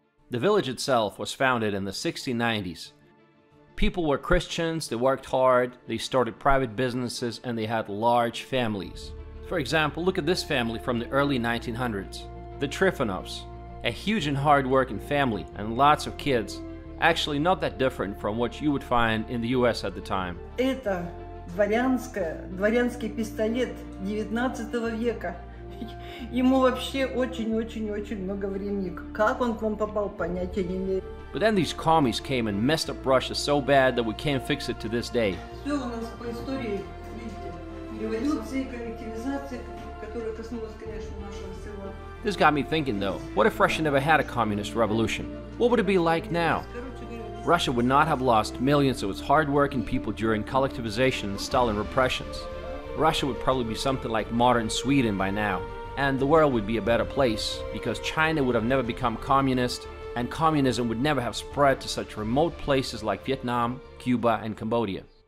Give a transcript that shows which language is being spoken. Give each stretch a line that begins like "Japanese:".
English: The village itself was founded in the 1690s. People were Christians, they worked hard, they started private businesses, and they had large families. For example, look at this family from the early 1900s. The Trifonovs. A huge and hard-working family, and lots of kids. Actually, not that different from what you would find in the US at the time.
Russian: Это дворянский пистолет 19 века. Ему вообще очень-очень-очень много времени. Как он к вам попал, понятия не имею.
English: But then these commies came and messed up Russia so bad that we can't fix it to this day.
Russian: Все у нас по истории, видите, революции, коллективизации, которая коснулась, конечно, нашего села.
English: This got me thinking, though. What if Russia never had a communist revolution? What would it be like now? Russia would not have lost millions of its hard-working people during collectivization and Stalin repressions. Russia would probably be something like modern Sweden by now. And the world would be a better place, because China would have never become communist, and communism would never have spread to such remote places like Vietnam, Cuba, and Cambodia.